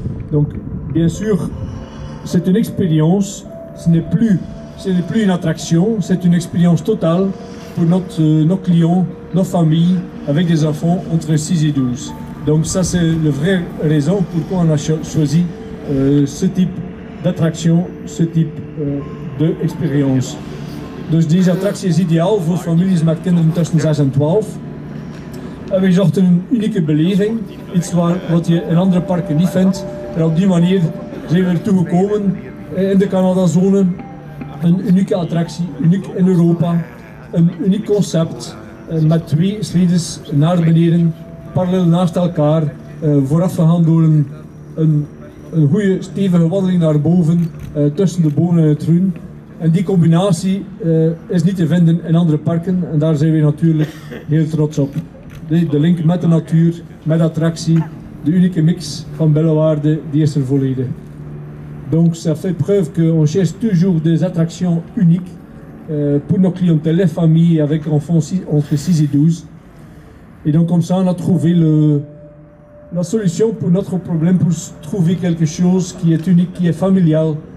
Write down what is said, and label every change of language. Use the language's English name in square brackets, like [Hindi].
[French] Donc bien sûr, c'est une expérience, ce n'est plus une attraction, c'est une expérience totale pour nos clients, nos familles, avec des enfants entre 6 et 12. Donc ça c'est la vraie raison pourquoi on a choisi ce type d'attraction, ce type d'expérience. [Dutch] Dus deze attractie is ideaal voor families met kinderen tussen 6 en 12. En we zochten een unieke beleving, iets wat je in andere parken niet vindt. En op die manier zijn we ertoe gekomen in de Canada-zone. Een unieke attractie, uniek in Europa. Een uniek concept met twee slides naar beneden, parallel naast elkaar. Vooraf gegaan door een goede stevige wandeling naar boven, tussen de bomen en het groen. En die combinatie is niet te vinden in andere parken en daar zijn we natuurlijk heel trots op. De link met de natuur, met attractie, de unieke mix van Bellewaerde, die is er volledig. [French] Donc ça fait preuve qu'on cherche toujours des attractions uniques pour nos clientèles, les familles avec enfants entre 6 et 12. Et donc comme ça on a trouvé la solution pour notre problème, pour trouver quelque chose qui est unique, qui est familial.